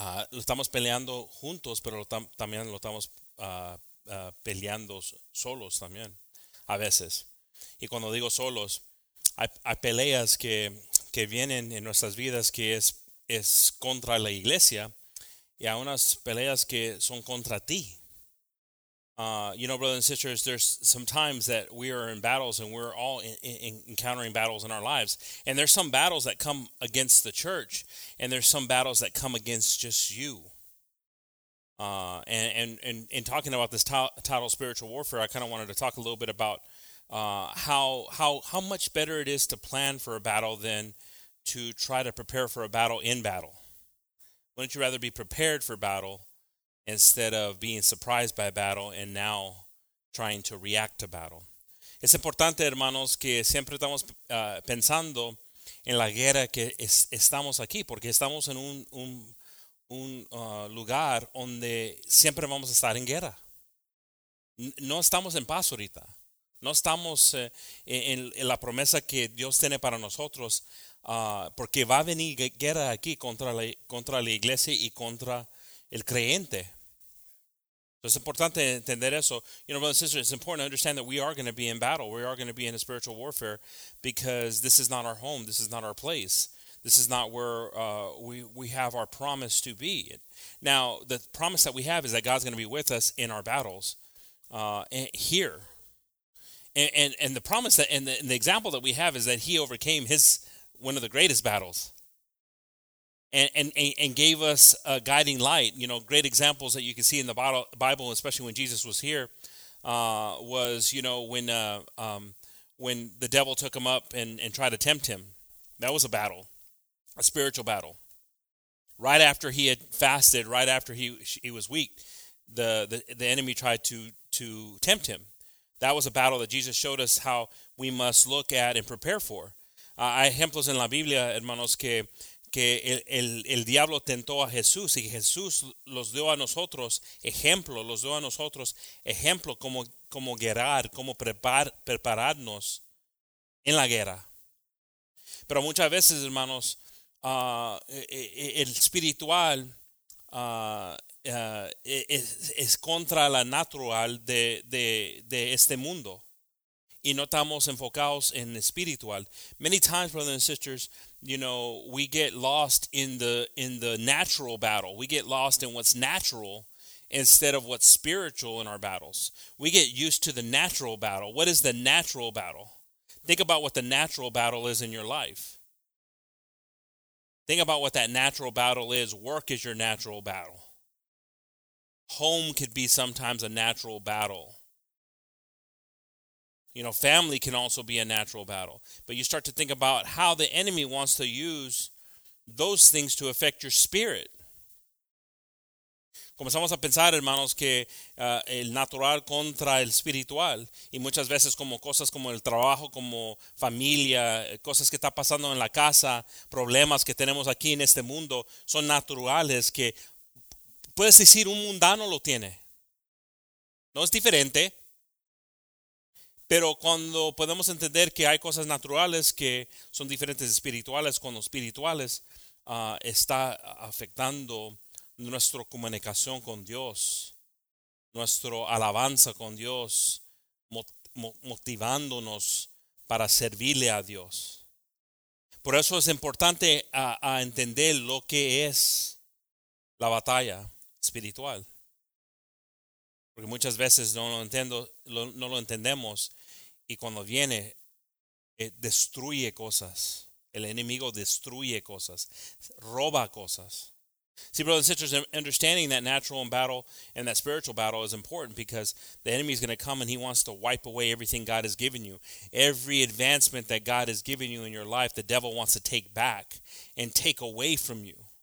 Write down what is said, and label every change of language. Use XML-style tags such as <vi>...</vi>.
<es>Lo estamos peleando juntos, pero también lo estamos peleando solos también, a veces. Y cuando digo solos, hay peleas que vienen en nuestras vidas que es contra la iglesia, y hay unas peleas que son contra ti.</es> <en>You know, brothers and sisters, there's some times that we are in battles and we're all in encountering battles in our lives. And there's some battles that come against the church, and there's some battles that come against just you. And in talking about this title, Spiritual Warfare, I kind of wanted to talk a little bit about how much better it is to plan for a battle than to try to prepare for a battle in battle. Wouldn't you rather be prepared for battle instead of being surprised by battle and now trying to react to battle?</en> <es>Es importante, hermanos, que siempre estamos pensando en la guerra que estamos aquí, porque estamos en un lugar donde siempre vamos a estar en guerra. No estamos en paz ahorita. No estamos en la promesa que Dios tiene para nosotros, porque va a venir guerra aquí contra la iglesia y contra el creyente. Entonces, es importante entender eso.</es> <en>You know, brothers and sisters, it's important to understand that we are going to be in battle. We are going to be in a spiritual warfare because this is not our home. This is not our place. This is not where we have our promise to be. Now, the promise that we have is that God's going to be with us in our battles here. And the promise that and the example that we have is that he overcame his one of the greatest battles and gave us a guiding light. You know, great examples that you can see in the Bible, especially when Jesus was here, was, you know, when the devil took him up and tried to tempt him. That was a battle. A spiritual battle. Right after he had fasted, right after he was weak, the enemy tried to tempt him. That was a battle that Jesus showed us how we must look at and prepare for.</en> <es>Hay ejemplos en la Biblia, hermanos, que el diablo tentó a Jesús y Jesús los dio a nosotros ejemplo, los dio a nosotros ejemplo como guerrar, como prepararnos en la guerra. Pero muchas veces, hermanos, el espiritual es contra la natural de este mundo y no estamos enfocados en espiritual.</es> <en>Many times, brothers and sisters, you know, we get lost in the natural battle. We get lost in what's natural instead of what's spiritual in our battles. We get used to the natural battle. What is the natural battle? Think about what the natural battle is in your life. Think about what that natural battle is. Work is your natural battle. Home could be sometimes a natural battle. You know, family can also be a natural battle. But you start to think about how the enemy wants to use those things to affect your spirit.</en> <es>Comenzamos a pensar, hermanos, que el natural contra el espiritual. Y muchas veces como cosas como el trabajo, como familia, cosas que está pasando en la casa, problemas que tenemos aquí en este mundo, son naturales que puedes decir un mundano lo tiene. No es diferente. Pero cuando podemos entender que hay cosas naturales que son diferentes de espirituales, cuando espirituales está afectando nuestra comunicación con Dios, nuestra alabanza con Dios, motivándonos para servirle a Dios. Por eso es importante a entender lo que es la batalla espiritual. Porque muchas veces no lo entendemos y cuando viene, destruye cosas. El enemigo destruye cosas, roba cosas.</es> <en>See, brothers and sisters, understanding that natural battle and that spiritual battle is important because the enemy is going to come and he wants to wipe away everything God has given you. Every advancement that God has given you in your life, the devil wants to take back and take away from you.</en>